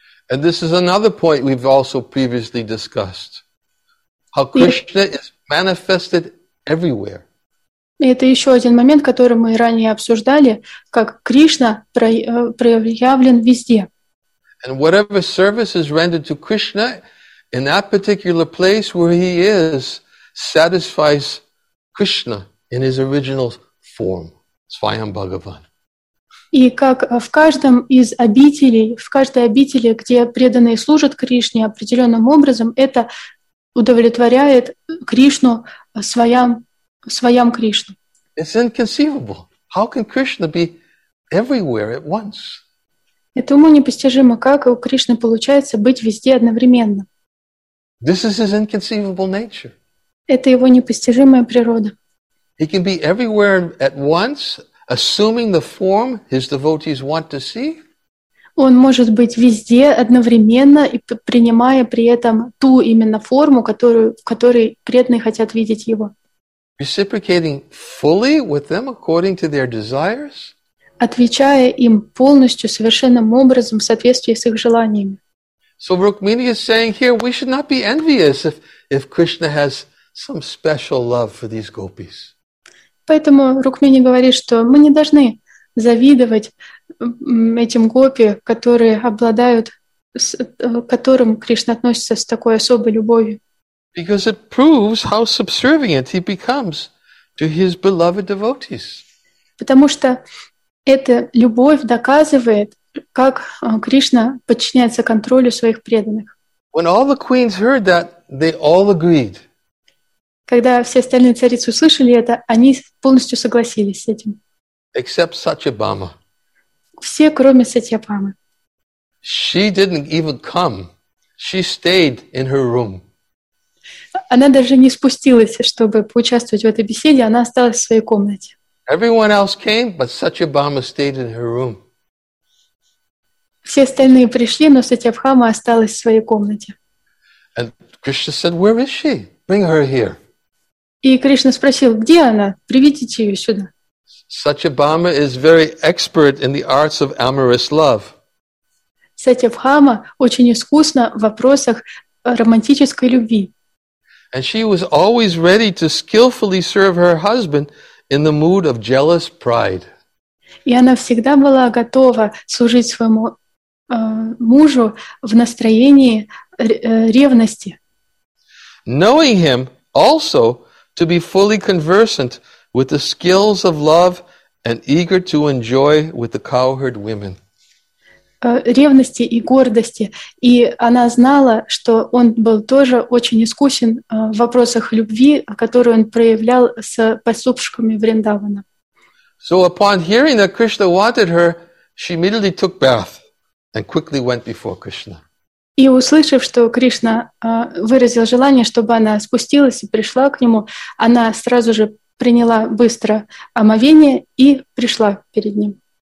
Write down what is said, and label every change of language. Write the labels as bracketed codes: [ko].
[en] And this is another point we've also previously discussed. How Krishna is manifested everywhere. [ru] Это еще один момент, который мы ранее обсуждали, как Кришна проявлен везде. [en] And whatever service is rendered to Krishna in that particular place where he is satisfies Krishna in his original form, Svayam Bhagavan. [ru] И как в каждом из обителей, в каждой обители, где преданные служат Кришне определенным образом, это удовлетворяет Кришну своям Кришну. [en] It's inconceivable. How can Krishna be everywhere at once? [ru] Это уму непостижимо, как у Кришны получается быть везде одновременно. [en] This is his inconceivable nature. [ru] Это его непостижимая природа. [en] He can be everywhere at once, assuming the form his devotees want to see. [ru] Он может быть везде одновременно и принимая при этом ту именно форму, в которой преданные хотят видеть его. [en] Reciprocating fully with them according to their desires. [ru] Отвечая им полностью, совершенным образом в соответствии с их желаниями. [en] So Rukmini is saying here, we should not be envious if Krishna has some special love for these gopis. [ru] Поэтому Рукмини говорит, что мы не должны завидовать этим гопи, которые обладают, которым Кришна относится с такой особой любовью. [en] Because it proves how subservient he becomes to his beloved devotees. [ru] Потому что эта любовь доказывает, как Кришна подчиняется контролю своих преданных. [en] When all the queens heard that, they all agreed. [ru] Когда все остальные царицы услышали это, они полностью согласились с этим. [en] Except Satyabhama. [ru] Все, кроме Сатьябхамы. [en] She didn't even come. She stayed in her room. [ru] Она даже не спустилась, чтобы поучаствовать в этой беседе, она осталась в своей комнате. [en] Everyone else came, but Satyabhama stayed in her room. [ru] Все остальные пришли, но Сатьябхама осталась в своей комнате. [en] And Krishna said, "Where is she? Bring her here." [ru] И Кришна спросил, где она? Приведите ее сюда. [en] Satyabhama is very expert in the arts of amorous love. [ru] Сатьябхама очень искусна в вопросах романтической любви. [en] And she was always ready to skillfully serve her husband in the mood of jealous pride. [ru] И она всегда была готова служить своему мужу в настроении ревности. [en] Knowing him also to be fully conversant with the skills of love and eager to enjoy with the cowherd women. [ru] Ревности и гордости. И она знала, что он был тоже очень искусен в вопросах любви, которую он проявлял с подсупшками Вриндавана. [en] So upon hearing that Krishna wanted her, she immediately took bath and quickly went before Krishna. [ru] И услышав, что Кришна выразил желание, чтобы она спустилась и пришла к нему, она сразу же приняла быстро омовение и пришла перед ним.